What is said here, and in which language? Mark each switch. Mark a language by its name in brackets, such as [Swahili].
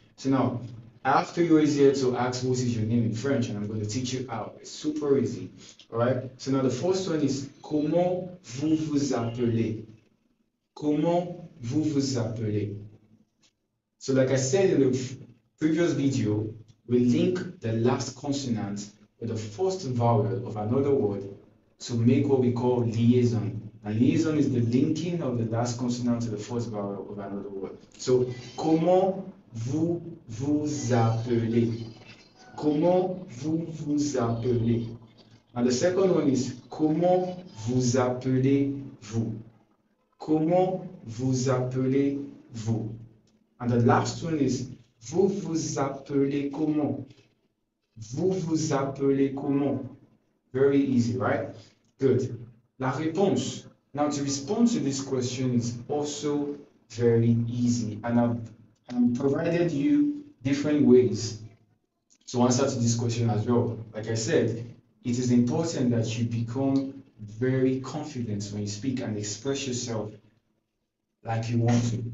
[English] So now, after you're easier to ask what is your name in French, and I'm going to teach you how. It's super easy. Alright? So now the first one is Comment vous vous appelez? [French] Comment vous vous appelez? [English] So like I said in the previous video, we link the last consonant with the first vowel of another word to make what we call liaison. And liaison is the linking of the last consonant to the first vowel of another word. [French] So comment vous vous appelez? Comment vous vous appelez? And the second one is comment vous appelez-vous? Comment vous appelez-vous? And the last one is vous vous appelez comment? Vous vous appelez comment? [English] Very easy, right? Good. La réponse. Now to respond to this question is also very easy. And provided you different ways to answer to this question as well. Like I said, it is important that you become very confident when you speak and express yourself like you want to.